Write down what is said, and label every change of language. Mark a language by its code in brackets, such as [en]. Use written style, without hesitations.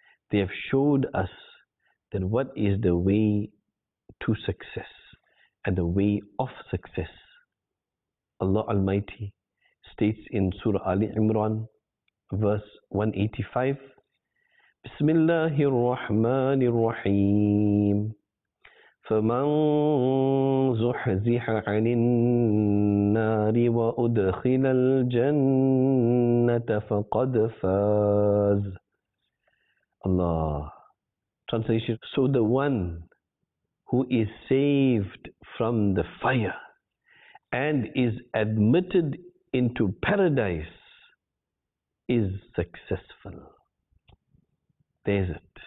[en] They have showed us that what is the way to success and the way of success. Allah Almighty states in Surah Ali Imran, verse 185, [ar] بسم الله الرحمن الرحيم فمن زحزح عن النار وأدخل الجنة فقد فاز. [en] Allah. Translation. So the one who is saved from the fire and is admitted into paradise is successful. There's it.